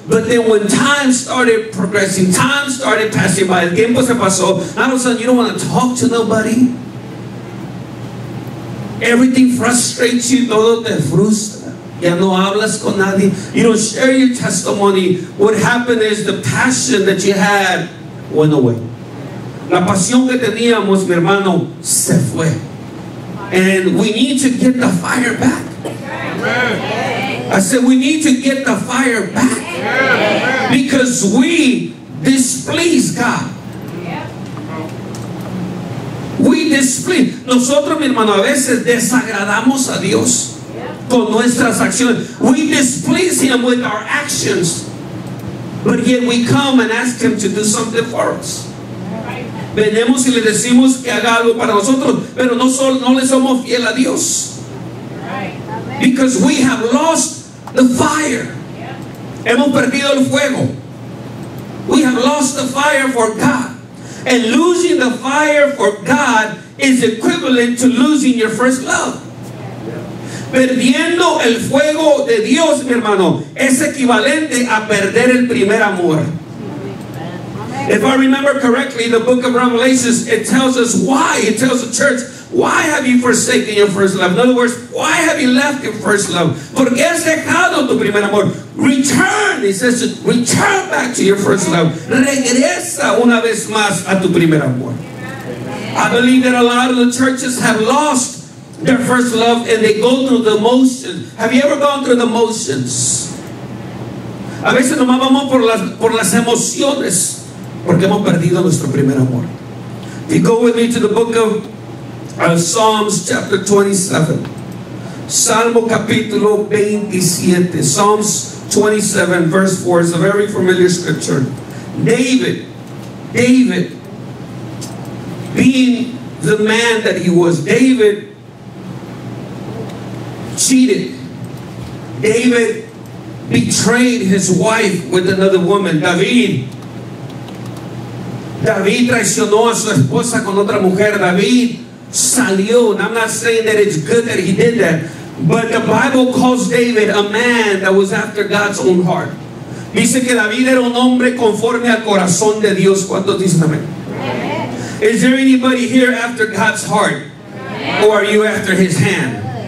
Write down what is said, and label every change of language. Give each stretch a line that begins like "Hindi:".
English: But then when time started progressing, time started passing by,
Spanish: el tiempo se pasó,
English: all of a sudden you don't want to talk to nobody. Everything frustrates you,
Spanish: todo te frustra. Ya no hablas con nadie.
English: You don't share your testimony. What happened is the passion that you had went away.
Spanish: La pasión que teníamos, mi hermano, se fue.
English: And we need to get the fire back. Amen. I said, we need to get the fire back. Because we displease God. We displease.
Spanish: Nosotros, mi hermano, a veces desagradamos a Dios con nuestras acciones.
English: We displease Him with our actions. But yet we come and ask Him to do something for us.
Spanish: Venemos y le decimos que haga algo para nosotros, pero no le somos fiel a Dios.
English: Because we have lost the fire.
Spanish: Hemos perdido el fuego.
English: We have lost the fire for God. And losing the fire for God is equivalent to losing your first love. Perdiendo el fuego de Dios, mi hermano, es equivalente a perder el primer amor. If I remember correctly, the book of Revelation, it tells us why. It tells the church, why have you forsaken your first love? In other words, why have you left your first love?
Spanish: ¿Por qué has dejado tu primer amor?
English: Return, it says, return back to your first love.
Spanish: Regresa una vez más a tu primer amor.
English: I believe that a lot of the churches have lost their first love and they go through the motions. Have you ever gone through the motions?
Spanish: A veces nomás vamos por las emociones. Porque hemos perdido nuestro primer amor.
English: If you go with me to the book of Psalms chapter 27.
Spanish: Salmo capítulo 27.
English: Psalms 27 verse 4 is a very familiar scripture. David, being the man that he was, David cheated. David betrayed his wife with another woman.
Spanish: David traicionó a su esposa con otra mujer. David salió.
English: And I'm not saying that it's good that he did that. But the Bible calls David a man that was after God's own heart.
Spanish: Dice que David era un hombre conforme al corazón de Dios. ¿Cuántos dicen amén?
English: Is there anybody here after God's heart? Or are you after His hand?